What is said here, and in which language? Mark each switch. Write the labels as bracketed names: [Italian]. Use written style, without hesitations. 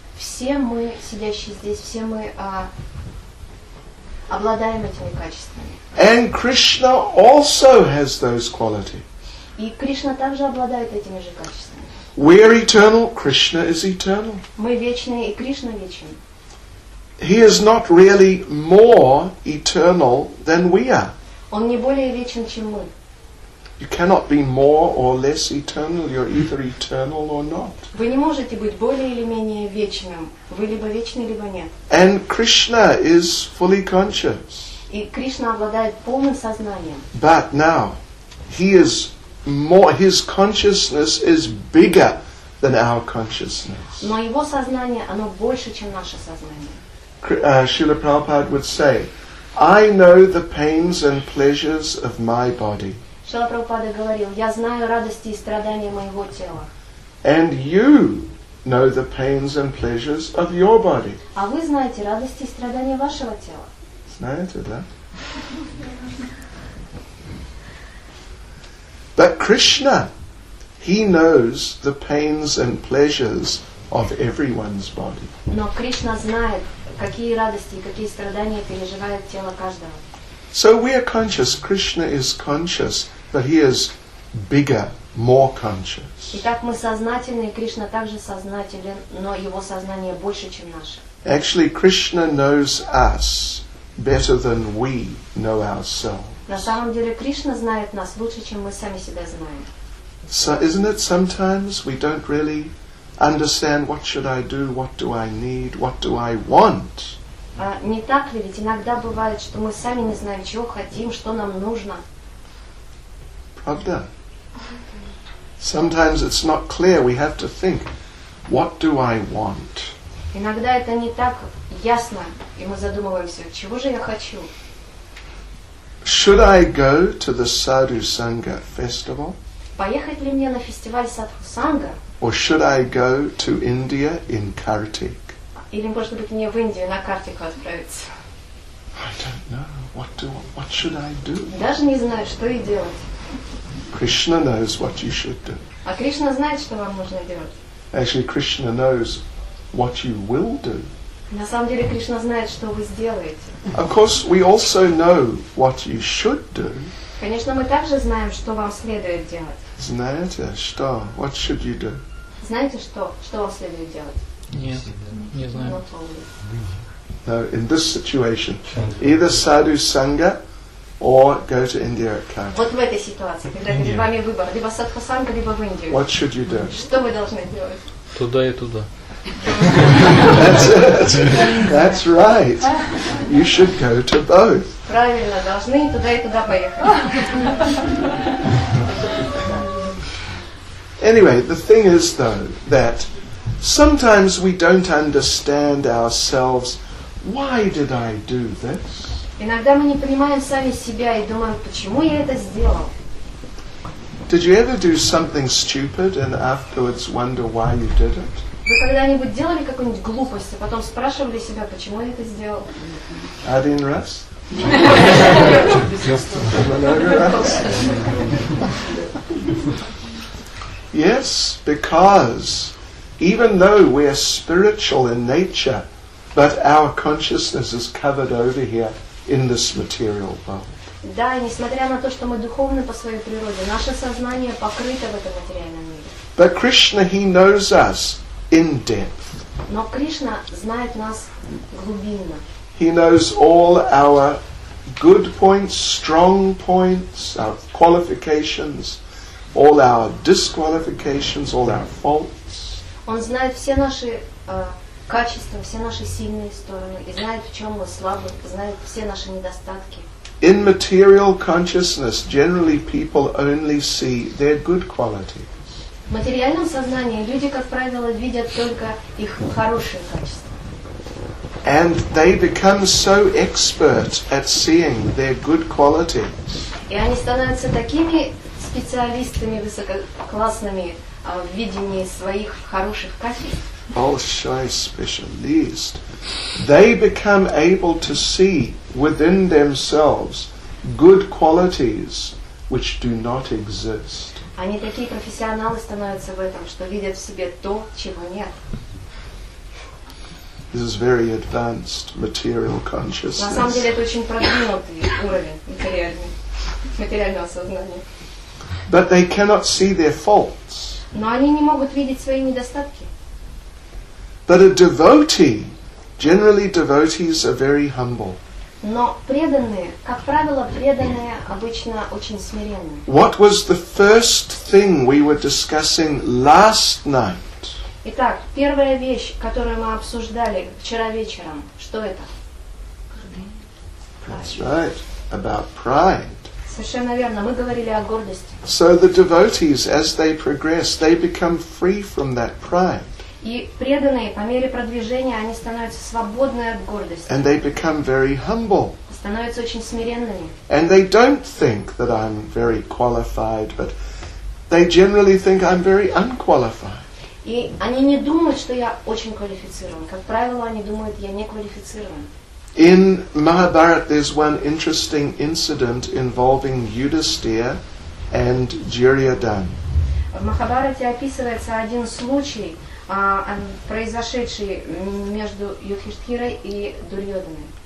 [Russian] Все мы, сидящие здесь, все мы обладаем этими качествами. [English] And Krishna also has those qualities. [Russian] И Кришна также обладает этими же качествами. [English] We are eternal, Krishna is eternal. [Russian] Мы вечные, и Кришна вечен. [English] He is not really more eternal than we are. [Russian] Он не более вечен, чем мы. [English] You cannot be more or less eternal, you're either eternal or not. [Russian] Вы не можете быть более или менее вечным. Вы либо вечны, либо нет. [English] And Krishna is fully conscious. [Russian] И Кришна обладает полным сознанием. [English] But now, he is more, his consciousness is bigger than our consciousness. [Russian] Но его сознание, оно больше, чем наше сознание. [English] Srila Prabhupada would say, I know the pains and pleasures of my body. [Russian] Шрила Прабхупада говорил, я знаю радости и страдания моего тела. [English] And you know the pains and pleasures of your body. [Russian] А вы знаете радости и страдания вашего тела. Знаете, да? [English] But Krishna, he knows the pains and pleasures of everyone's body. [Russian] Но Кришна знает, какие радости и какие страдания переживает тело каждого. [English] So we are conscious, Krishna is conscious, but he is bigger, more conscious. [Russian] Итак, мы сознательны, и Кришна также сознателен, но его сознание больше, чем наше. [English] Actually, Krishna knows us better than we know ourselves. [Russian] На самом деле, Кришна знает нас лучше, чем мы сами себя знаем. [English] So, isn't it sometimes we don't really understand what should I do, what do I need, what do I want? [Russian] Не так ли? Ведь иногда бывает, что мы сами не знаем, чего хотим, что нам нужно. Правда? [English] Sometimes it's not clear. We have to think, what do I want? [Russian] Иногда это не так ясно, и мы задумываемся, чего же я хочу? [English] Should I go to the Sadhu Sangha festival? [Russian] Поехать ли мне на фестиваль Садху Санга? [English] Or should I go to India in Kartik? [Russian] Или, может быть, мне в Индию на Картику отправиться? [English] I don't know. What should I do? [Russian] Даже не знаю, что и делать. [English] Krishna knows what you should do. [Russian] А Кришна знает, что вам нужно делать. [English] Actually, Krishna knows what you will do. [Russian] На самом деле, Кришна знает, что вы сделаете. [English] Of course, we also know what you should do. [Russian] Конечно, мы также знаем, что вам следует делать. Знаете, что? [English] What should you do? [Russian] Знаете, что? Что вам следует делать? Нет, не знаю. [English] No, in this situation, either sadhu sangha or go to India at Kartik. [Russian] Вот в этой ситуации, когда перед вами выбор, либо садху санга, либо в Индию. [English] What should you do? [Russian] Что вы должны делать? Туда и туда. [English] That's it. That's right. You should go to both. [Russian] Правильно, должны туда и туда поехать. [English] Anyway, the thing is though that sometimes we don't understand ourselves. Why did I do this? [Russian] Иногда мы не понимаем сами себя и думаем, почему я это сделал. [English] Did you ever do something stupid and afterwards wonder why you did it? [Russian] Вы когда-нибудь делали какую-нибудь глупость, а потом спрашивали себя, почему я это сделал? Один раз? [English] Yes, because even though we are spiritual in nature, but our consciousness is covered over here in this material world. [Russian] Да, несмотря на то, что мы духовны по своей природе, наше сознание покрыто в этом материальном мире. [English] But Krishna, he knows us in depth. [Russian] Но Кришна знает нас глубинно. [English] He knows all our good points, strong points, our qualifications, all our disqualifications, all our faults. [Russian] Он знает все наши качества, все наши сильные стороны, и знает, в чем мы слабы, знает все наши недостатки. [English] In material consciousness, generally people only see their good qualities. [Russian] В материальном сознании люди, как правило, видят только их хорошие качества. [English] And they become so expert at seeing their good qualities. [Russian] И они становятся такими специалистами высококлассными в видении своих хороших качеств. Большой специалист. [English] They become able to see within themselves good qualities which do not exist. [Russian] Они такие профессионалы становятся в этом, что видят в себе то, чего нет. [English] This is very advanced material consciousness. [Russian] На самом деле это очень продвинутый уровень материального сознания. [English] But they cannot see their faults. [Russian] Но они не могут видеть свои недостатки. [English] But a devotee, generally devotees are very humble. [Russian] Но преданные, как правило, преданные обычно очень смиренные. [English] What was the first thing we were discussing last night? [Russian] Итак, первая вещь, которую мы обсуждали вчера вечером, что это? [English] That's right, about pride. [Russian] Совершенно верно, мы говорили о гордости. [English] So the devotees, as they progress, they become free from that pride. [Russian] И преданные, по мере продвижения, они становятся свободны от гордости. [English] And they become very humble. [Russian] Становятся очень смиренными. [English] And they don't think that I'm very qualified, but they generally think I'm very unqualified. [Russian] И они не думают, что я очень квалифицирован. Как правило, они думают, я не квалифицирован. [English] In Mahabharata there's one interesting incident involving Yudhisthira and Duryodhana. [Russian] В Махабарате описывается один случай, произошедший между Юдхиштхирой и Дурьёдханой.